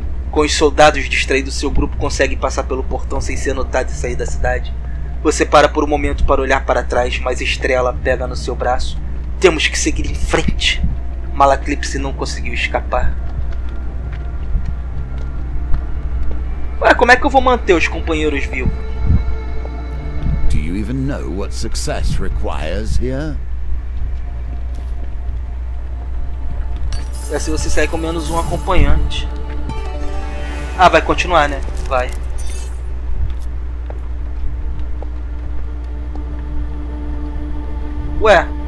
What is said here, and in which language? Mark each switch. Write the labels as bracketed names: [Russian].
[Portuguese] Com os soldados distraídos, seu grupo consegue passar pelo portão sem ser notado e sair da cidade. Você para por um momento para olhar para trás, mas Estrela pega no seu braço. Temos que seguir em frente. Malaclipse não conseguiu escapar. Ué, como é que eu vou manter os companheiros vivos? [English] Do you even know what success requires here? [Portuguese] É se você sair com menos um acompanhante. Ah, vai continuar, né? Vai. Ué.